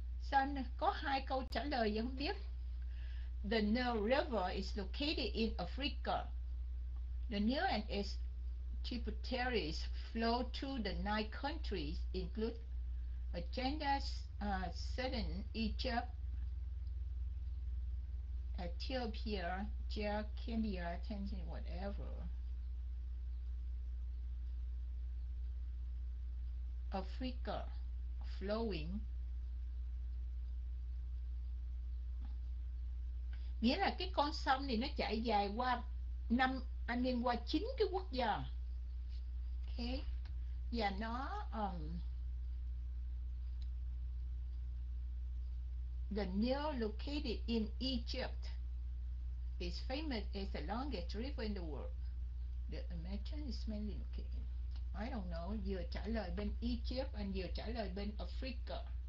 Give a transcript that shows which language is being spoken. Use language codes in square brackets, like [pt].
[vi] Sao có hai câu trả lời vậy không biết? [en] The Nile River is located in Africa. The Nile and its tributaries flow through the nine countries, include Uganda, Sudan, Egypt, Ethiopia, Nigeria, Kenya, Tanzania, whatever. Africa flowing. [vi] Nghĩa là cái con sông này nó chạy dài qua năm anh em qua chín cái quốc gia. [en] Okay. [vi] Và nó [en] The Nile located in Egypt is famous as the longest river in the world. The American is mainly located. I don't know, [vi] vừa trả lời bên Egypt anh vừa trả lời bên Africa.